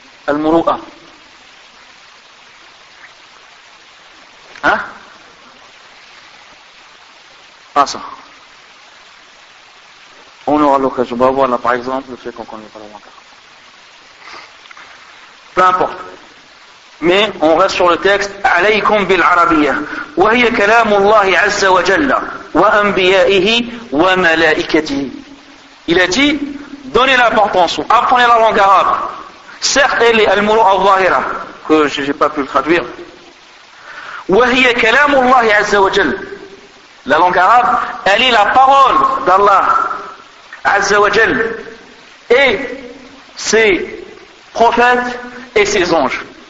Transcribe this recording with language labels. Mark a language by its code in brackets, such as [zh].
[ar] Al-muru'a. [fr] Hein? Pas ça. On aura l'occasion. On va voir là, par exemple, le fait qu'on ne connaît pas la langue. Peu importe. Mais on reste sur le texte [ar] عليكم بالعربية وهي كلام الله عز وجل وأنبيائه وملائكته. [fr] Il a dit donnez l'importance, ou apprenez la langue arabe, certes elle est [ar] المروءة الظاهرة, [fr] que je n'ai pas pu le traduire. [ar] وهي كلام الله عز وجل, [fr] la langue arabe elle est la parole d'Allah عز وجل et ses prophètes et ses anges.